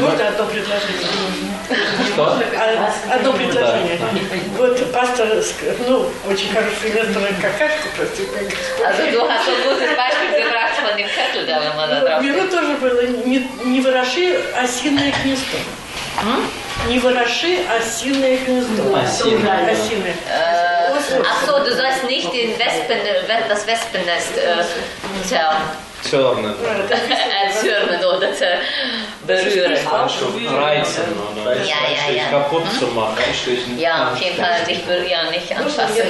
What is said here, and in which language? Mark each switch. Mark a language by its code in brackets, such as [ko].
[de] du hast so ein gutes Beispiel gebracht von dem Kettel, da wenn man da drauf. [ru] Миру тоже было не вороши осиное гнездо. Не вороши осиное гнездо. Осиное. [de] Ach so, du sollst nicht den Wespen, das Wespennest zerren. Zürnen. Oder zu berühren. Reizen. Ja, ja, ja. Kaputt zu machen. Ja, auf jeden Fall nicht berühren, nicht anfassen.